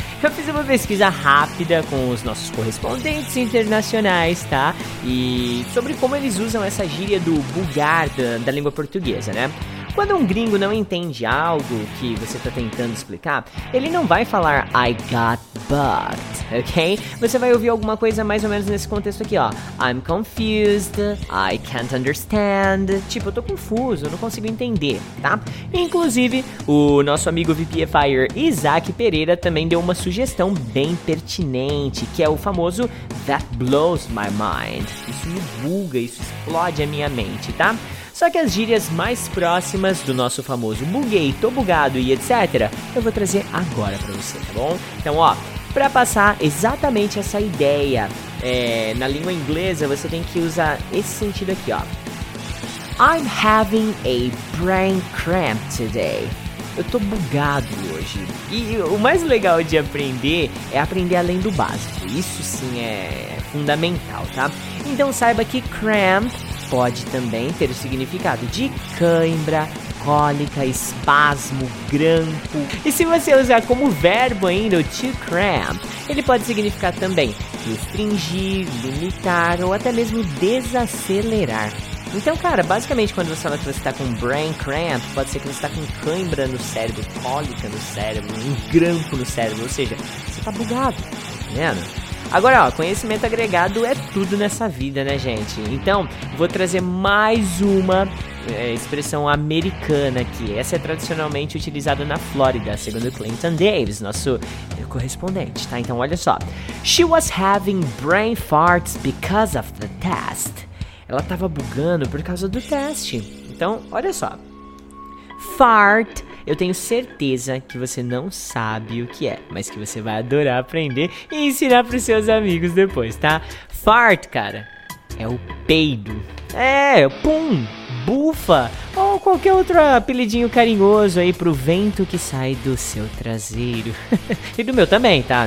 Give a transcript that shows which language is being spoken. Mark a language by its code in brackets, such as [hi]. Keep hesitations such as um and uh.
[pt] Eu fiz uma pesquisa rápida com os nossos correspondentes internacionais, tá? E sobre como eles usam essa gíria do bugar da, da língua portuguesa, né? Quando um gringo não entende algo que você está tentando explicar, ele não vai falar [en] I got bugged, [pt] ok? Você vai ouvir alguma coisa mais ou menos nesse contexto aqui, ó. [en] I'm confused, I can't understand. [pt] Tipo, eu tô confuso, eu não consigo entender, tá? Inclusive, o nosso amigo VPFire Isaac Pereira também deu uma sugestão bem pertinente, que é o famoso [en] That blows my mind. [pt] Isso me buga, isso explode a minha mente, tá? Só que as gírias mais próximas do nosso famoso buguei, tô bugado e etc, eu vou trazer agora para você, tá bom? Então, ó, para passar exatamente essa ideia é, na língua inglesa, você tem que usar esse sentido aqui, ó. [en] I'm having a brain cramp today. [pt] Eu tô bugado hoje. E o mais legal de aprender é aprender além do básico. Isso sim é fundamental, tá? Então saiba que cramp pode também ter o significado de cãibra, cólica, espasmo, grampo. E se você usar como verbo ainda o to cramp, ele pode significar também restringir, limitar ou até mesmo desacelerar. Então, cara, basicamente quando você fala que você está com brain cramp, pode ser que você está com cãibra no cérebro, cólica no cérebro, um grampo no cérebro, ou seja, você está bugado, tá vendo? Agora, ó, conhecimento agregado é tudo nessa vida, né, gente? Então, vou trazer mais uma é, expressão americana aqui. Essa é tradicionalmente utilizada na Flórida, segundo Clinton Davis, nosso correspondente, tá? Então, olha só. [en] She was having brain farts because of the test. [pt] Ela tava bugando por causa do teste. Então, olha só. Fart eu tenho certeza que você não sabe o que é, mas que você vai adorar aprender e ensinar para os seus amigos depois, tá? Fart, cara, é o peido. É, pum, bufa ou qualquer outro apelidinho carinhoso aí pro vento que sai do seu traseiro. e do meu também, tá?